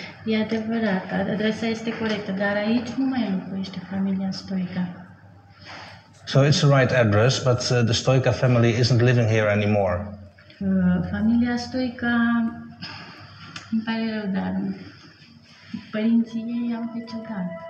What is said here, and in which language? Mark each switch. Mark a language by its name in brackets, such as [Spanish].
[Romanian] E adevărat, adresa este corectă, dar aici nu mai locuiește familia Stoyka. [English] So it's the right address, but the Stoyka family isn't living here anymore. [Romanian] Familia Stoyka, îmi pare rău, dar părinții ei au decedat.